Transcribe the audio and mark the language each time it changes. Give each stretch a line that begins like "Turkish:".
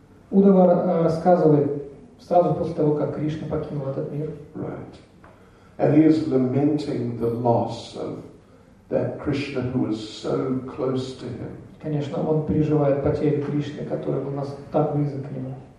Russian: Uddhava рассказывает сразу после того, как Кришна покинул этот мир.
English: Right. And he is lamenting the loss of that Krishna who was so close to him.
Russian: Конечно, он переживает потерю Кришны, который был нас так близок к нему.